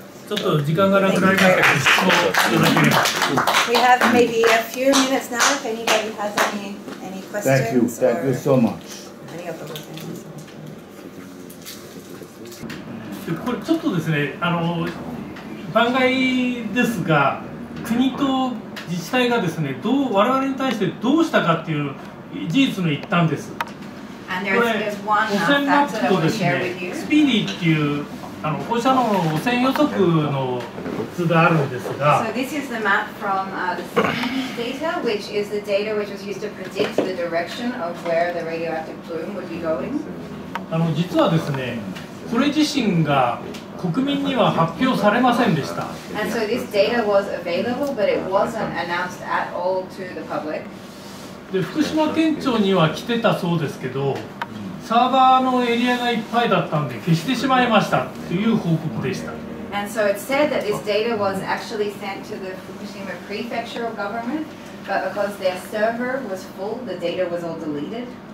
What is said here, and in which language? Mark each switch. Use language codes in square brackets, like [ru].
[ja] ちょっと時間がなくなりましたけど、質問をいただければ。 [en] We have maybe a few minutes now if anybody has any questions. Thank you. Thank you so much. [ja] ありがとうございます。これちょっとですね、番外ですが、国と自治体がですね、どう我々に対してどうしたかっていう事実の一端です。これ、汚染マップとですね、スピーディーっていう放射能の汚染予測の図があるんですが、 [en] So this is the map from the CDD data, which is the data which was used to predict the direction of where the radioactive plume would be going. [ja] 実はですね、これ自身が国民には発表されませんでした。 [en] And so this data was available, but it wasn't announced at all to the public. [ja] で、福島県庁には来てたそうですけど、サーバーのエリアがいっぱいだったんで消してしまいましたという報告でした。 [en] And so it said that this data was actually sent to the Fukushima prefectural government, but because their server was full, the data was all deleted.